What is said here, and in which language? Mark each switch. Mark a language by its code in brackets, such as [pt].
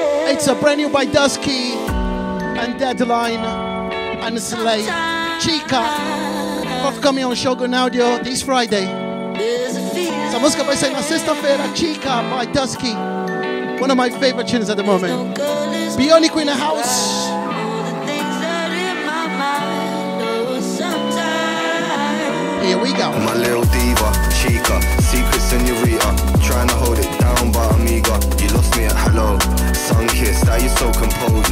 [en] It's a brand new by Dusky and Deadline. And Slay, Chica, forthcoming on Shogun Audio this Friday. [pt] Essa música vai sair na sexta-feira, Chica by Dusky. [en] One of my favorite tunes at the moment. Bionico in the house. Here we go. My little diva, Chica, secret senorita. Trying to hold it down, but amiga, you lost me at hello. Sun kissed, that you're so composed.